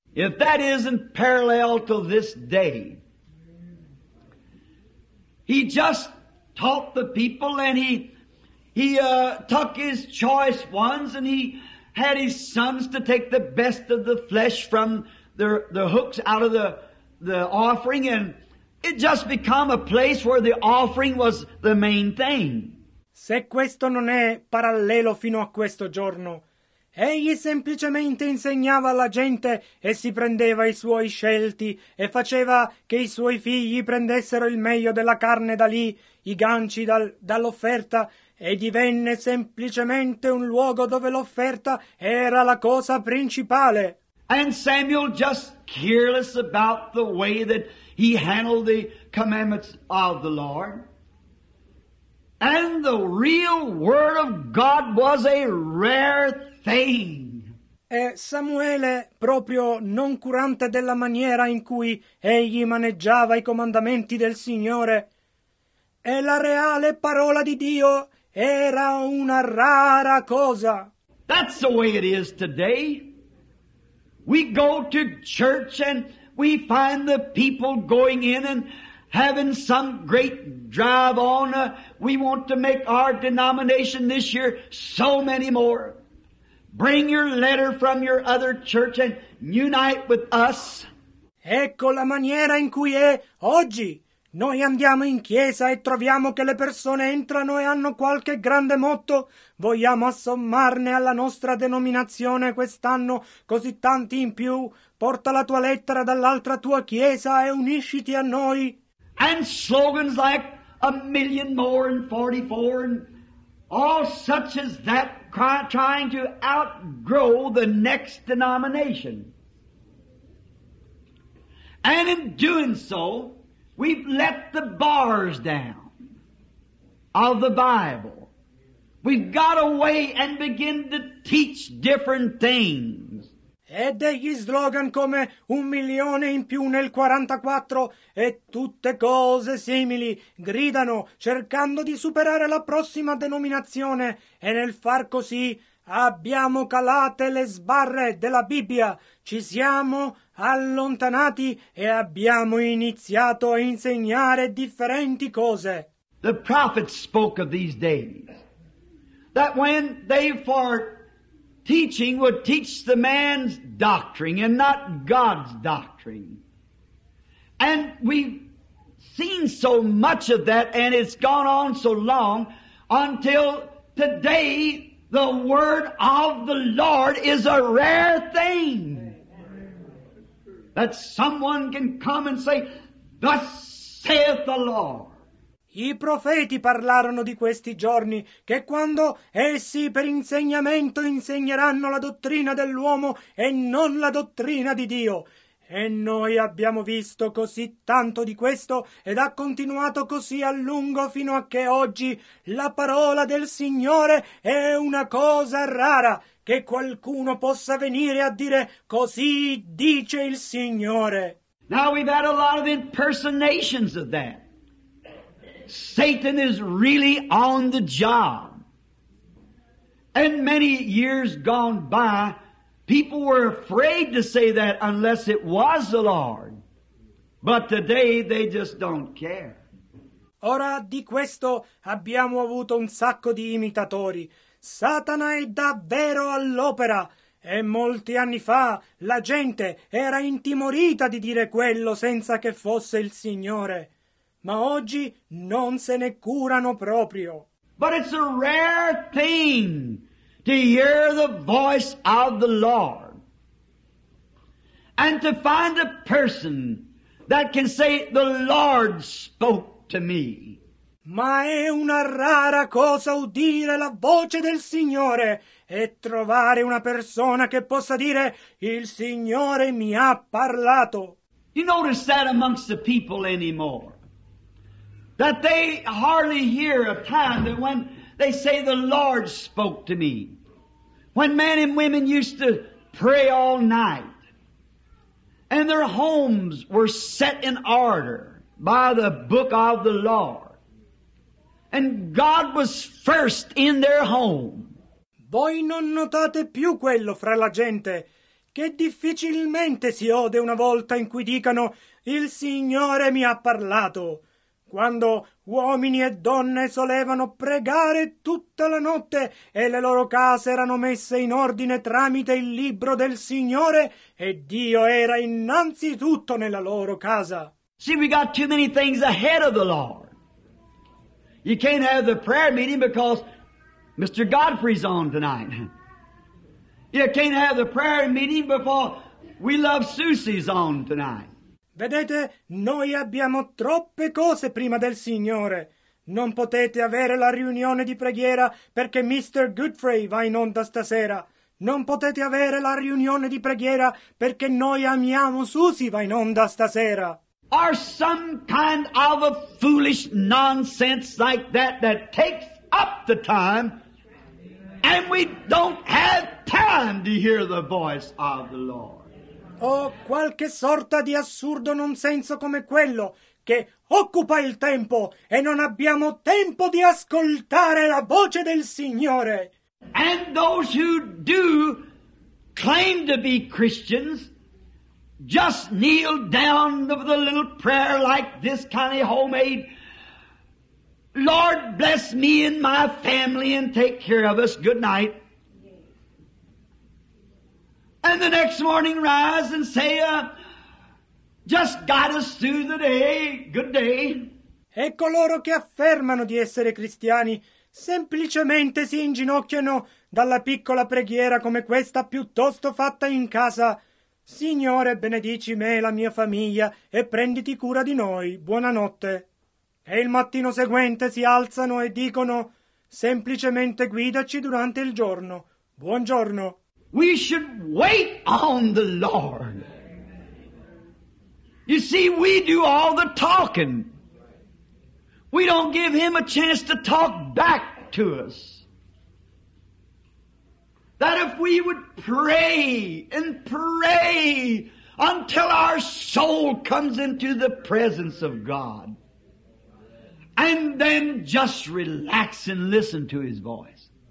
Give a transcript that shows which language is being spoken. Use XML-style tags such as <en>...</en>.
<en>If that isn't parallel to this day, he just taught the people, and he took his choice ones, and he had his sons to take the best of the flesh from the hooks out of the offering, and it just became a place where the offering was the main thing.</en> <it>Se questo non è parallelo fino a questo giorno, egli semplicemente insegnava alla gente e si prendeva i suoi scelti e faceva che i suoi figli prendessero il meglio della carne da lì, i ganci dall'offerta, e divenne semplicemente un luogo dove l'offerta era la cosa principale.</it> <en>And Samuel, just careless about the way that he handled the commandments of the Lord, and the real word of God was a rare thing.</en> <it>E Samuele, proprio non curante della maniera in cui egli maneggiava i comandamenti del Signore, e la reale parola di Dio era una rara cosa.</it> <en>That's the way it is today. We go to church and we find the people going in and having some great drive on. We want to make our denomination this year so many more. Bring your letter from your other church and unite with us.</en> <it>Ecco la maniera in cui è oggi. Noi andiamo in chiesa e troviamo che le persone entrano e hanno qualche grande motto. Vogliamo assommarne alla nostra denominazione quest'anno così tanti in più. Porta la tua lettera dall'altra tua chiesa e unisciti a noi.</it> <en>And slogans like a million more and 44 and all such as that, trying to outgrow the next denomination. And in doing so, we've let the bars down of the Bible. We've got away and begin to teach different things.</en> <it>e degli slogan come un milione in più nel 44 e tutte cose simili gridano cercando di superare la prossima denominazione e nel far così abbiamo calate le sbarre della Bibbia, ci siamo allontanati e abbiamo iniziato a insegnare differenti cose.</it> <en>The prophets spoke of these days, that when they fought teaching would teach the man's doctrine and not God's doctrine. And we've seen so much of that, and it's gone on so long until today the word of the Lord is a rare thing. That someone can come and say, thus saith the Lord.</en> <it>I profeti parlarono di questi giorni, che quando essi per insegnamento insegneranno la dottrina dell'uomo e non la dottrina di Dio. E noi abbiamo visto così tanto di questo ed ha continuato così a lungo fino a che oggi la parola del Signore è una cosa rara, che qualcuno possa venire a dire così dice il Signore.</it> <en>Now we've had a lot of impersonations of that. Satan is really on the job. And many years gone by, people were afraid to say that unless it was the Lord. But today they just don't care.</en> <it>Ora di questo abbiamo avuto un sacco di imitatori. Satana è davvero all'opera. E molti anni fa la gente era intimorita di dire quello senza che fosse il Signore. Ma oggi non se ne curano proprio.</it> <en>But it's a rare thing to hear the voice of the Lord and to find a person that can say, the Lord spoke to me.</en> <it>Ma è una rara cosa udire la voce del Signore e trovare una persona che possa dire, il Signore mi ha parlato.</it> <en>You notice that amongst the people anymore. That they hardly hear a time that when they say the Lord spoke to me. When men and women used to pray all night. And their homes were set in order by the book of the Lord. And God was first in their home.</en> <it>Voi non notate più quello fra la gente, che difficilmente si ode una volta in cui dicano il Signore mi ha parlato. Quando uomini e donne solevano pregare tutta la notte e le loro case erano messe in ordine tramite il libro del Signore e Dio era innanzitutto nella loro casa.</it> <en>See, we got too many things ahead of the Lord. You can't have the prayer meeting because Mr. Godfrey's on tonight. You can't have the prayer meeting before We Love Susie's on tonight.</en> <it>Vedete, noi abbiamo troppe cose prima del Signore. Non potete avere la riunione di preghiera perché Mr. Goodfrey va in onda stasera. Non potete avere la riunione di preghiera perché noi amiamo Susie va in onda stasera.</it> <en>Or some kind of a foolish nonsense like that that takes up the time and we don't have time to hear the voice of the Lord.</en> <it>O qualche sorta di assurdo non senso come quello che occupa il tempo e non abbiamo tempo di ascoltare la voce del Signore.</it> <en>And those who do claim to be Christians just kneel down with a little prayer like this kind of homemade. Lord bless me and my family and take care of us. Good night. And the next morning rise and say, just guide us through the day, good day.</en> <it>E coloro che affermano di essere cristiani semplicemente si inginocchiano dalla piccola preghiera come questa piuttosto fatta in casa. Signore, benedici me e la mia famiglia e prenditi cura di noi, buonanotte. E il mattino seguente si alzano e dicono, semplicemente guidaci durante il giorno, buongiorno.</it> <en>We should wait on the Lord. You see, we do all the talking. We don't give Him a chance to talk back to us. that if we would pray and pray until our soul comes into the presence of God, and then just relax and listen to His voice.</en>